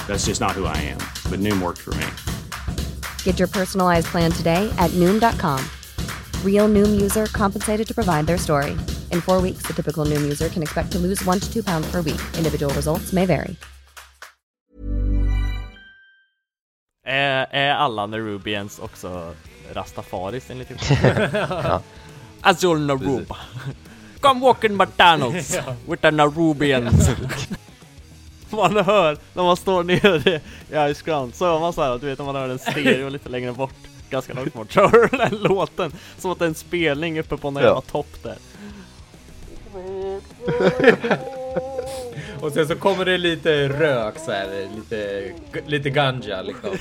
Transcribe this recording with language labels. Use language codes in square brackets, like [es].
[en] That's just not who I am. But Noom worked for me. Get your personalized plan today at Noom.com. Real Noom user compensated to provide their story. In 4 weeks, the typical Noom user can expect to lose 1 to 2 pounds per week. Individual results may vary. [sv] Är alla Nerubians också rastafaris enligt typ? Azul Narub. [en] Come walk in McDonald's with the Nerubians. [sv] Man hör när man står nere i Ice Ground. Så hör man så här, du vet, om man hör en stereo lite längre bort. Ganska långt bort. Så hör den här låten. Som att det är en spelning uppe på några topp där. Och sen så kommer det lite rök så här, lite ganja liksom.